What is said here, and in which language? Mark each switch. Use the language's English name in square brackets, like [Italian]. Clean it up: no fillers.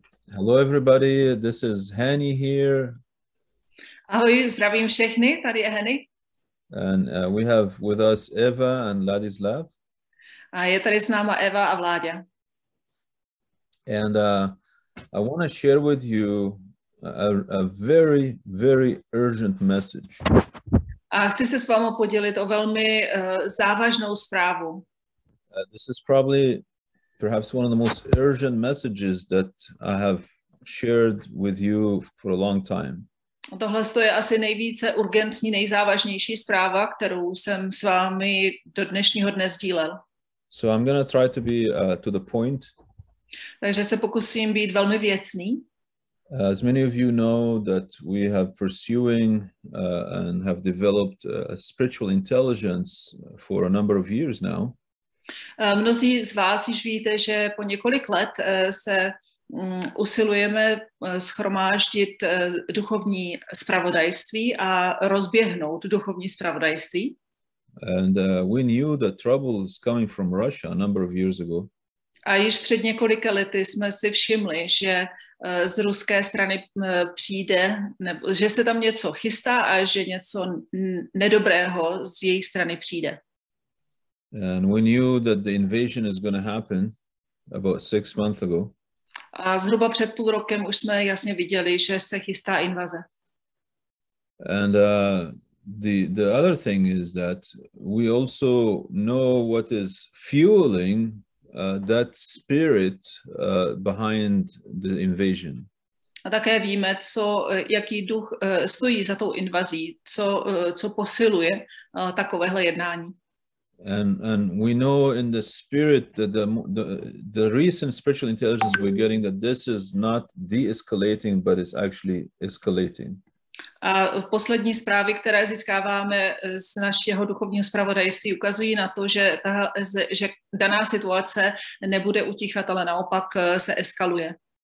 [English] Hello everybody, this is Hani here. [Czech] Ahoj, zdravím všechny, tady je Hani. [English] And we have with us Eva and Ladislav. [Czech] A je tady s náma Eva a Vláďa. [English] And I want to share with you a very, very urgent message. [Czech] A chci se s vámi podělit o velmi závažnou zprávu. [English] This is probably perhaps one of the most urgent messages that I have shared with you for a long time. [Czech] Tohle je asi nejvíce urgentní, nejzávažnější zpráva, kterou jsem s vámi do dnešního dne sdílel. [English] So I'm going to try to be to the point. [Czech] Takže se pokusím být velmi věcný. [English] As many of you know that we have pursuing and have developed a spiritual intelligence for a number of years now. [Czech] Mnozí z vás již víte, že po několik let se usilujeme shromáždit duchovní zpravodajství a rozběhnout duchovní zpravodajství. [English] And we knew that trouble is coming from Russia a number of years ago. [Czech] A již před několika lety jsme si všimli, že z ruské strany přijde, nebo že se tam něco chystá a že něco nedobrého z jejich strany přijde. [English] And we knew that the invasion is going to happen about 6 months ago. [Czech] A zhruba před půl rokem už jsme jasně viděli, že se chystá invaze. [English] And the other thing is that we also know what is fueling that spirit behind the invasion. [Czech] A také víme, co jaký duch stojí za tou invazí, co posiluje takovéhle jednání. [English] And we know in the spirit that the recent spiritual intelligence we're getting that this is not de-escalating, but it's actually escalating. [Czech] A poslední zprávy, které získáváme z našeho duchovního zpravodajství, ukazují na to, že daná situace nebude utichat, ale naopak se eskaluje.